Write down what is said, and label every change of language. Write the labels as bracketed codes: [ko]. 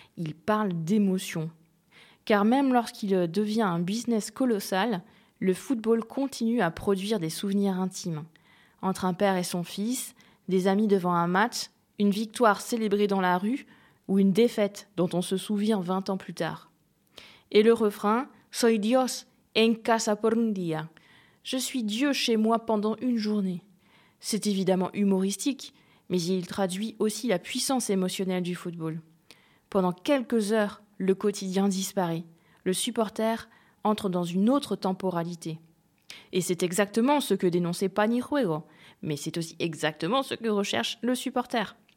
[fr] Il parle d'émotion. Car même lorsqu'il devient un business colossal, le football continue à produire des souvenirs intimes. Entre un père et son fils, des amis devant un match, une victoire célébrée dans la rue ou une défaite dont on se souvient 20 ans plus tard. [es] Et le refrain « Soy Dios en casa por un día ». [fr] Je suis Dieu chez moi pendant une journée. C'est évidemment humoristique, mais il traduit aussi la puissance émotionnelle du football. Pendant quelques heures, le quotidien disparaît. Le supporter entre dans une autre temporalité. Et c'est exactement ce que dénonçait Panijuego, mais c'est aussi exactement ce que recherche le supporter.